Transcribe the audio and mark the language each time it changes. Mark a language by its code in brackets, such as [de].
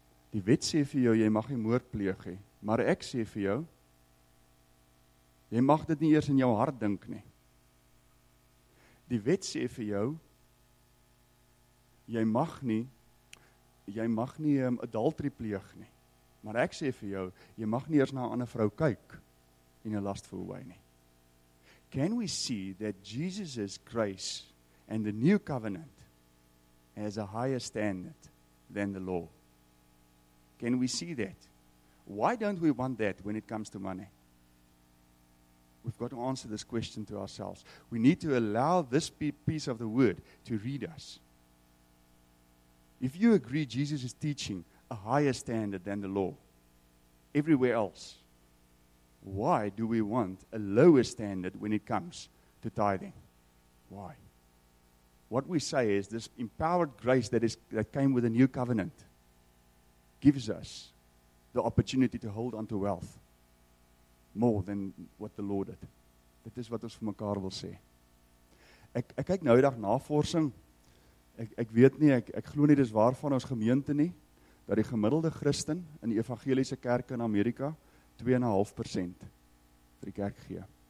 [af] Die wet sê vir jou, jy mag nie moord pleeg nie, maar ek sê vir jou, jy mag dit nie eers in jou hart dink nie. Die wet sê vir jou, jy mag nie adultery pleeg nie, maar ek sê vir jou, jy mag nie eers na 'n ander vrou kyk en 'n last voel by nie. [en] Can we see that Jesus' grace and the new covenant has a higher standard than the law? Can we see that? Why don't we want that when it comes to money? We've got to answer this question to ourselves. We need to allow this piece of the word to read us. If you agree Jesus is teaching a higher standard than the law everywhere else, why do we want a lower standard when it comes to tithing? Why? What we say is this empowered grace that came with a new covenant gives us the opportunity to hold onto wealth more than what the Lord did. [af] Dit is wat ons vir mekaar wil sê. Ek kyk nou hierdag navorsing. Ek weet nie, ek glo nie dis waar van ons gemeente nie, dat die gemiddelde Christen in die evangeliese kerke in Amerika 2.5% vir die kerk gee.